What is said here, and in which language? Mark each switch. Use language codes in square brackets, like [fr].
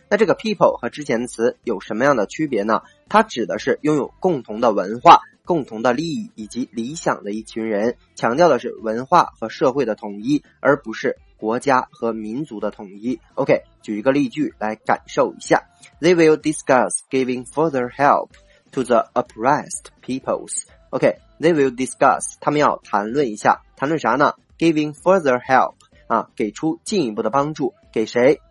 [zh] 那这个 people 和之前词有什么样的区别呢？它指的是拥有共同的文化、共同的利益以及理想的一群人，强调的是文化和社会的统一，而不是国家和民族的统一。 OK， 举一个例句来感受一下。 [en] They will discuss giving further help to the oppressed peoples。 [zh] OK， [en] they will discuss， [zh] 他们要谈论一下，谈论啥呢？ [en] giving further help [zh] 啊，给出进一步的帮助，给谁？